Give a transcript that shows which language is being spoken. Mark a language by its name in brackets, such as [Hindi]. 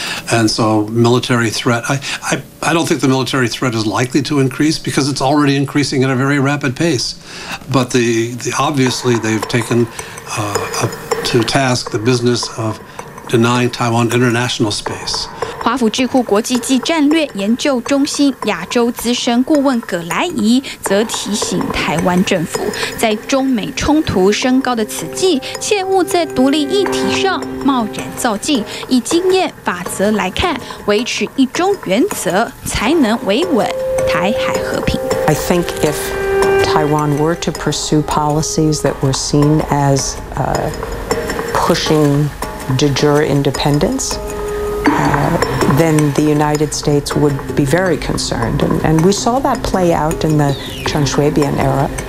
[English] And so military threat, I don't think the military threat is likely to increase because it's already increasing at a very rapid pace. But the obviously they've taken to task the business of denying Taiwan international space. [Chinese] 华府智库国际暨战略研究中心亚洲资深顾问葛莱仪则提醒台湾政府，在中美冲突升高的此际，切勿在独立议题上贸然造进。以经验法则来看，维持一中原则才能维稳台海和平。 [English] I think if Taiwan were to pursue policies that were seen as pushing de jure independence. Then the United States would be very concerned. And we saw that play out in the Chen Shui-bian era.